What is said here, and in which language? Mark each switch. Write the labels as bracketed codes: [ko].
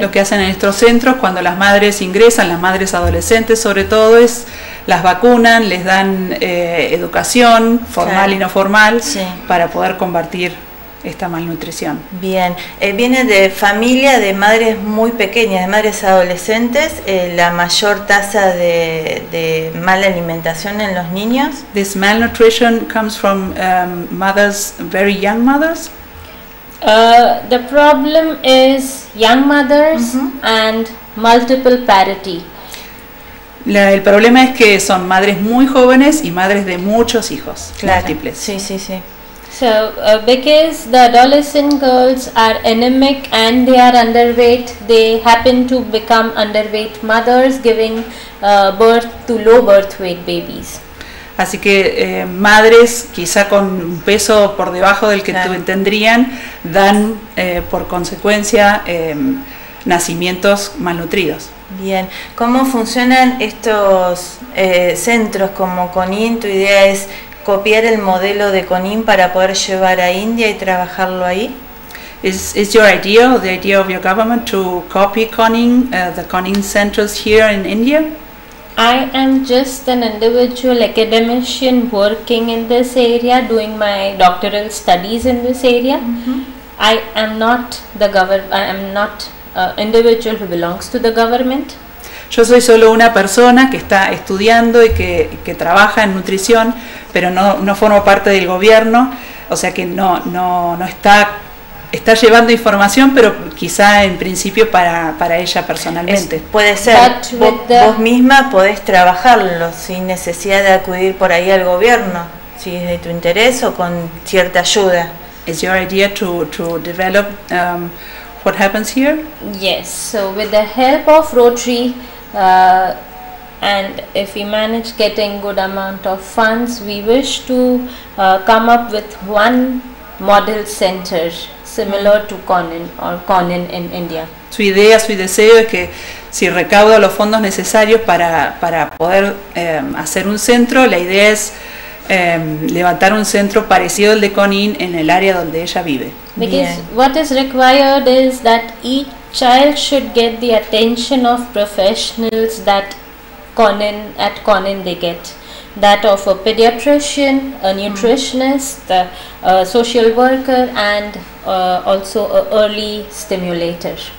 [es] Lo que hacen en estos centros cuando las madres ingresan, las madres adolescentes sobre todo, es las vacunan, les dan educación formal y no formal para poder combatir esta malnutrición. Bien, viene de familia de madres muy pequeñas, de madres adolescentes, la mayor tasa de mala alimentación en los niños. [en] This malnutrition comes from mothers, very young mothers. The problem is young mothers mm-hmm. and multiple parity. [es] El problema es que son madres muy jóvenes y madres de muchos hijos, claro. Múltiples. Sí, sí, sí. [en] So, because the adolescent girls are anemic and they are underweight, they happen to become underweight mothers, giving birth to low birth weight babies. [es] Así que madres, quizá con un peso por debajo del que tendrían, dan por consecuencia nacimientos malnutridos. Bien, ¿cómo funcionan estos centros como CONIN? Tu idea es copiar el modelo de CONIN para poder llevar a India y trabajarlo ahí. [en] Is your idea, or the idea of your government, to copy CONIN, the CONIN centers here in India? I am just an individual academician working in this area, doing my doctoral studies in this area. Mm-hmm. I am not the government. I am not individual who belongs to the government. [es] Yo soy solo una persona que está estudiando y que trabaja en nutrición, pero no formo parte del gobierno, o sea que no está llevando información, pero quizá en principio para ella personalmente. Puede ser, vos misma podés trabajarlo sin necesidad de acudir por ahí al gobierno, si es de tu interés o con cierta ayuda. [en] Is your idea to develop what happens here? Yes, so with the help of Rotary, and if we manage getting good amount of funds, we wish to come up with one model center similar to CONIN or CONIN in India. [es] Su idea, su deseo es que si recauda los fondos necesarios para poder hacer un centro, la idea es levantar un centro parecido al de CONIN en el área donde ella vive. [en] Because what is required is that each child should get the attention of professionals that at CONIN they get, that of a pediatrician, a nutritionist, a social worker, and also a early stimulator.